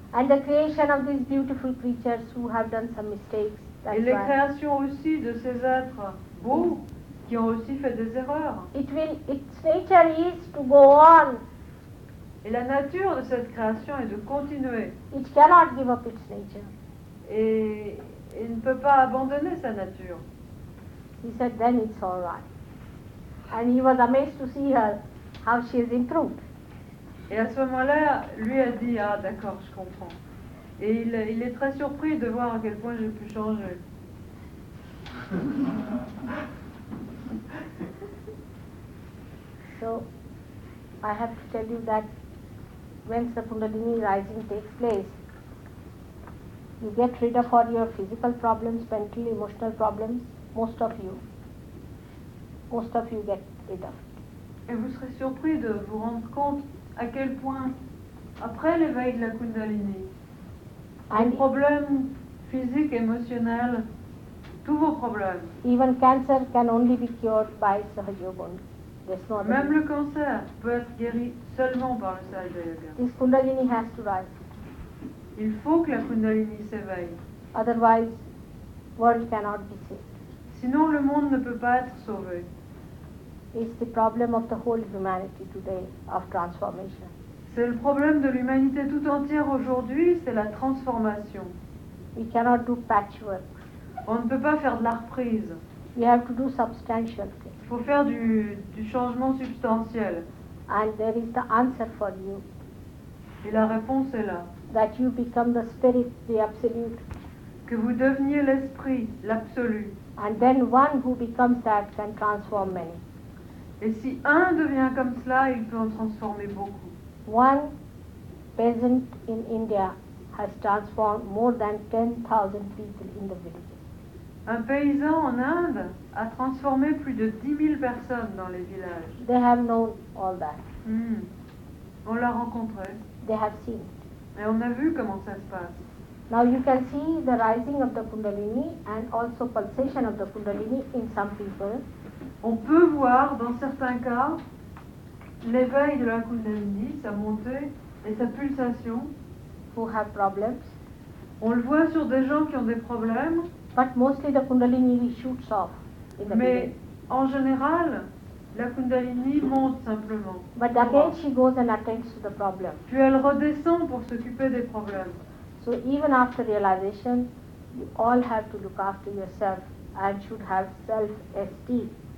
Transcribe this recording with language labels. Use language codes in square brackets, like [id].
[en] And the creation of these beautiful creatures who have done some mistakes. [fr] Et les créations aussi de ces êtres beaux. Qui ont aussi fait des erreurs. [en] Its nature is to go on. [fr] Et la nature de cette création est de continuer. [en] It cannot give up its nature. [fr] Et il ne peut pas abandonner sa nature. [en] He said, then it's all right. And he was amazed to see her, how she has improved. [fr] Et à ce moment-là, lui a dit, ah d'accord, je comprends. Et il est très surpris de voir à quel point j'ai pu changer. [en] So, I have to tell you that when the Kundalini rising takes place, you get rid of all your physical problems, mental, emotional problems, most of you get rid of. [fr] Et vous serez surpris de vous rendre compte à quel point, après l'éveil de la Kundalini, vos problèmes physiques, émotionnels, tous vos problèmes. [en] Even cancer can only be cured by Sahaja Yoga. [fr] Même le cancer peut être guéri seulement par le Sahaja Yoga. [en] This Kundalini has to rise. [fr] Il faut que la Kundalini s'éveille. [en] Otherwise, world cannot be saved. [fr] Sinon, le monde ne peut pas être sauvé. [en] It's the problem of the whole humanity today of transformation. [fr] C'est le problème de l'humanité tout entière aujourd'hui, c'est la transformation. [en] We cannot do patchwork. [fr] On ne peut pas faire de la reprise. [en] We have to do substantial things. [fr] Il faut faire du changement substantiel. [en] And there is the answer for you. [fr] Et la réponse est là. [en] That you become the spirit, the absolute. [fr] Que vous deveniez l'esprit, l'absolu. [en] And then one who becomes that can transform many. [fr] Et si un devient comme cela, il peut en transformer beaucoup. [en] One peasant in India has transformed more than 10,000 people in the village. [fr] Un paysan en Inde a transformé plus de 10 000 personnes dans les villages. [en] They have known all that. [fr] On l'a rencontré. [en] They have seen. [fr] Et on a vu comment ça se passe. [en] Now you can see the rising of the Kundalini and also pulsation of the Kundalini in some people. [fr] On peut voir dans certains cas l'éveil de la Kundalini, sa montée, et sa pulsation. [en] Who have problems. [fr] On le voit sur des gens qui ont des problèmes. [en] But mostly the Kundalini shoots off in the [fr] Mais [en] beginning. [fr] En général, la Kundalini monte simplement. [en] But again she goes and attends to the problem. [fr] Puis elle redescend pour s'occuper des problèmes. [en] So even after realization, you all have to look after yourself and should have self-esteem.